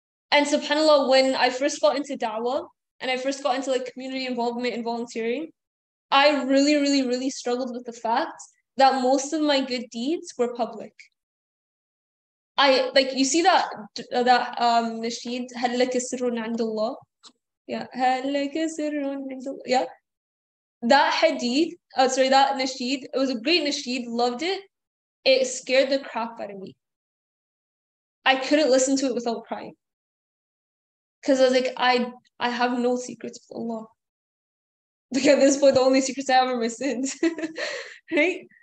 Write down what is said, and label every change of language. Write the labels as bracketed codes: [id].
[en] And subhanAllah, when I first got into da'wah, and I first got into like community involvement and volunteering, I really, really, really struggled with the fact that most of my good deeds were public. I, like, you see that, nasheed, [ar] هَلْ لَكَ سِرٌ عَنْدُ اللَّهِ. [en] Yeah, [ar] هَلْ لَكَ سِرٌ عَنْدُ اللَّهِ. [en] Yeah. That hadith, that nasheed, it was a great nasheed, loved it. It scared the crap out of me. I couldn't listen to it without crying. Because I was like, I have no secrets with Allah. Like, at this point, the only secrets I have are my sins. Right?